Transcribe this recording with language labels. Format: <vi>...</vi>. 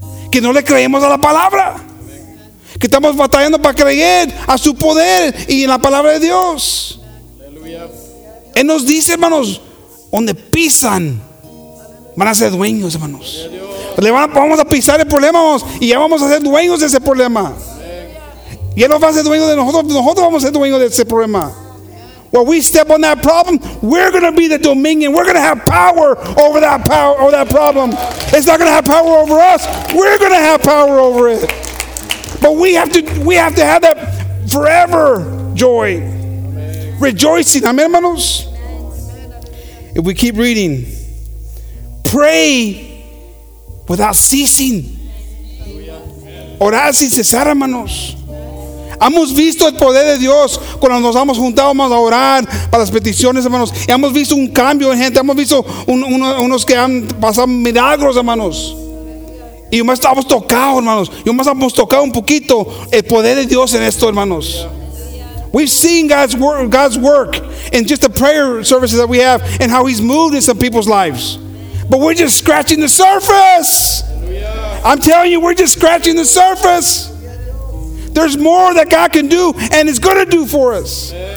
<es>Que no le creemos a la palabra. Que estamos batallando para creer a su poder y en la palabra de Dios. Aleluya. Él nos dice, hermanos, donde pisan, van a ser dueños, hermanos. Le vamos a pisar el problema, hermanos, y ya vamos a ser dueños de ese problema. Y Él no va a ser dueño de nosotros, nosotros vamos a ser dueños de ese problema.</es> <en>When we step on that problem, we're going to be the dominion. We're going to have power over that power or that problem. It's not going to have power over us. We're going to have power over it. But we have to have that forever joy. Amen. Rejoicing. Amen, hermanos. If we keep reading, pray without ceasing.</en> <es>Orar sin cesar, hermanos. Hemos visto el poder de Dios cuando nos hemos juntado, vamos a orar para las peticiones, hermanos. Y hemos visto un cambio en gente. Hemos visto unos que han pasado milagros, hermanos. Y más estamos tocados, hermanos. Y más hemos tocado un poquito el poder de Dios en esto, hermanos.</es> <en>We've seen God's work in just the prayer services that we have and how He's moved in some people's lives. But we're just scratching the surface. I'm telling you, we're just scratching the surface. There's more that God can do and is going to do for us.</en>